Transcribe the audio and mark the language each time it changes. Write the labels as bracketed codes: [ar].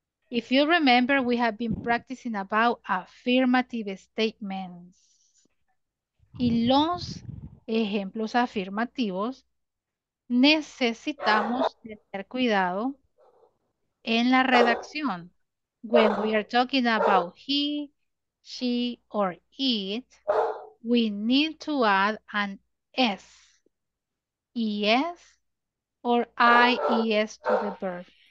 [en] If you remember, we have been practicing about affirmative statements. [es] Y los ejemplos afirmativos necesitamos tener cuidado en la redacción. [en] When we are talking about he, she, or it, we need to add an S, ES, or IES to the verb.